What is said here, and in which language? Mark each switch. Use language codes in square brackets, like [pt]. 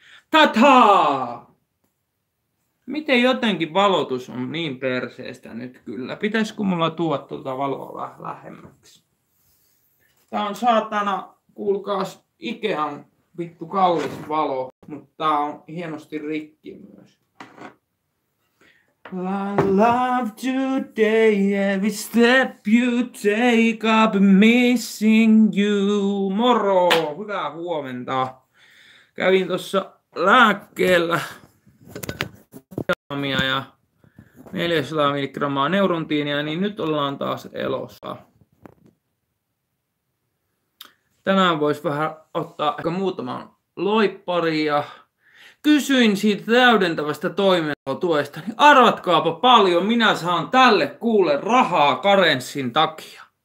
[fi] Tataa! Miten jotenkin valotus on niin perseestä nyt kyllä? Pitäisikö mulla tuoda tuota valoa vähän lähemmäksi? Tää on saatana, kuulkaas, Ikean vittu kaulis valo, mutta tää on hienosti rikki myös. [en] I love today, every step you take, I'm missing you. [fi] Moro! Hyvää huomenta. Kävin tuossa lääkkeellä. Ja 400 mg neurontiinia, niin nyt ollaan taas elossa. Tänään voisi vähän ottaa ehkä muutaman loippari ja kysyin siitä täydentävästä toimeentulotuesta, niin arvatkaapa paljon minä saan tälle kuule rahaa karenssin takia.